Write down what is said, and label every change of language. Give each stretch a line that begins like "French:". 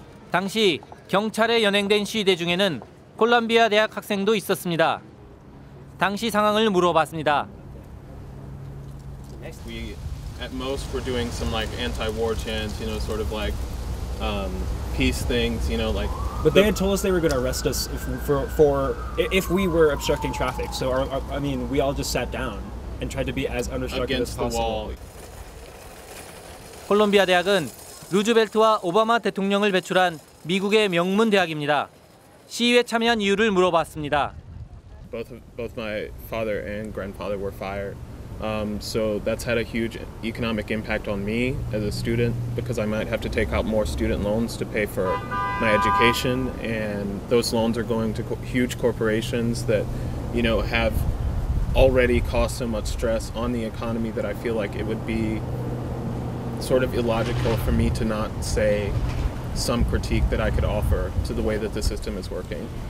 Korean: 당시 경찰에 연행된 시위대 중에는 콜롬비아 대학 학생도 있었습니다. 당시 상황을 물어봤습니다.
English: We at most were doing some like anti-war chants, you know, sort of like peace things, you know, like. But they had told us they were going to arrest us if we were obstructing traffic. So I mean, we all just sat down and tried to be as unobstructive as possible.
Korean: 콜롬비아 대학은 루즈벨트와 오바마 대통령을 배출한 미국의 명문 대학입니다. 시위에 참여한 이유를 물어봤습니다.
English: Both my father and grandfather were fired. So that's had a huge economic impact on me as a student because I might have to take out more student loans to pay for my education and those loans are going to huge corporations that you know have already caused so much stress on the economy that I feel like it would be sort of illogical for me to not say some critique that I could offer to the way that the system is working.